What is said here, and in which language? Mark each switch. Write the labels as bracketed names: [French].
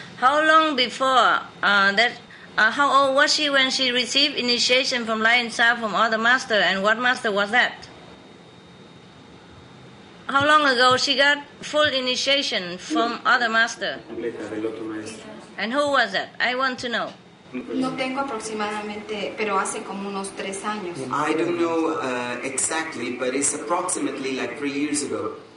[English] How long before how old was she when she received initiation from Lion Sound from other master, and what master was that? How long ago she got full initiation from other master? And who was that? I want to know. [Spanish] No tengo aproximadamente, pero hace como unos 3 años. [English] I don't know exactly, but it's approximately like 3 years ago.